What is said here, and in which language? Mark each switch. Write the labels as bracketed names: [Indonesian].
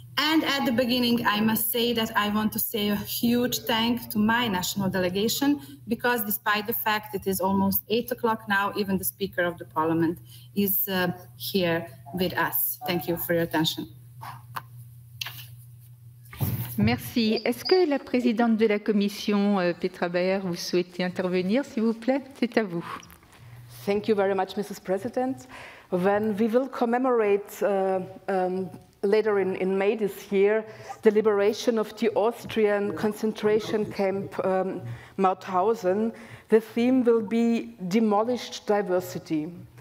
[English] And at the beginning, I must say that I want to say a huge thank to my national delegation, because despite the fact it is almost 8 o'clock now, even the Speaker of the Parliament is here with us. Thank you for your attention. [French] Merci. Est-ce que la présidente de la commission, Petra Baer, vous souhaitez intervenir, s'il vous plaît? C'est à vous. [English] Thank you very much, Mrs. President. When we will commemorate later in May this year, the liberation of the Austrian concentration camp Mauthausen, the theme will be demolished diversity.